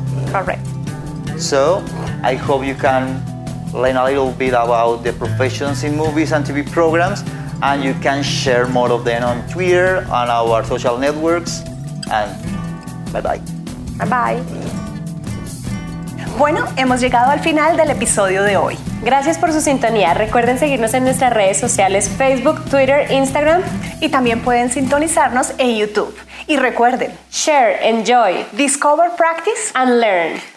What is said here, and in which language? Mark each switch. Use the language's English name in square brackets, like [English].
[English] Correct. So, I hope you can learn a little bit about the professions in movies and TV programs, and you can share more of them on Twitter, on our social networks, and bye-bye. Bye-bye. [Spanish] Bueno, hemos llegado al final del episodio de hoy. Gracias por su sintonía. Recuerden seguirnos en nuestras redes sociales, Facebook, Twitter, Instagram, y también pueden sintonizarnos en YouTube. Y recuerden, [English] share, enjoy, discover, practice, and learn.